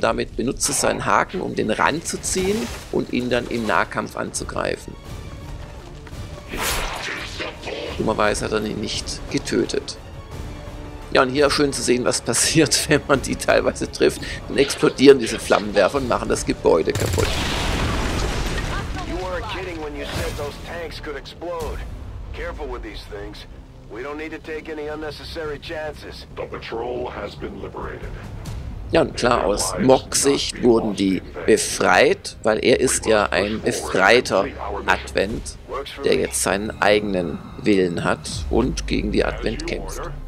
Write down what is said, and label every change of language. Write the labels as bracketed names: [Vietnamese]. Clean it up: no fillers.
[German] Damit benutzt er seinen Haken, um den Rand zu ziehen und ihn dann im Nahkampf anzugreifen. Dummerweise hat er ihn nicht getötet. Ja, und hier auch schön zu sehen, was passiert, wenn man die teilweise trifft. Dann explodieren diese Flammenwerfer und machen das Gebäude kaputt. [English] You weren't kidding when you said those tanks could explode. Careful with these things. We don't need to take any unnecessary chances. The patrol has been liberated. [German] Ja, und klar, aus Mox-Sicht wurden die befreit, weil er ist ja ein befreiter Advent, der jetzt seinen eigenen Willen hat und gegen die Advent kämpft.